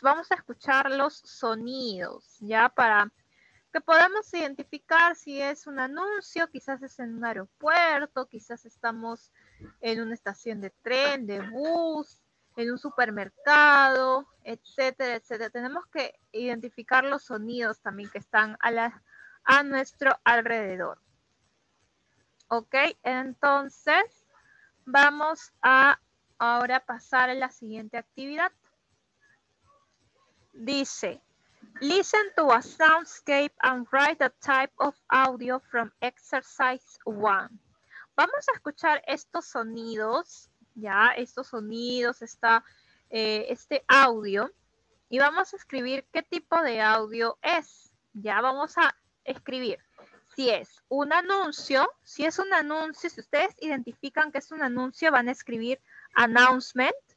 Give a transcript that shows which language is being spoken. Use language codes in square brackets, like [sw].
[es] Vamos a escuchar los sonidos, ya, para que podamos identificar si es un anuncio, quizás es en un aeropuerto, quizás estamos en una estación de tren, de bus, en un supermercado, etcétera, etcétera. Tenemos que identificar los sonidos también que están a nuestro alrededor. Ok, entonces vamos a ahora pasar a la siguiente actividad. Dice, [en] listen to a soundscape and write the type of audio from exercise one. [es] Vamos a escuchar estos sonidos, ya, estos sonidos, este audio, y vamos a escribir qué tipo de audio es. Ya vamos a escribir. Si es un anuncio, si es un anuncio, si ustedes identifican que es un anuncio, van a escribir announcement.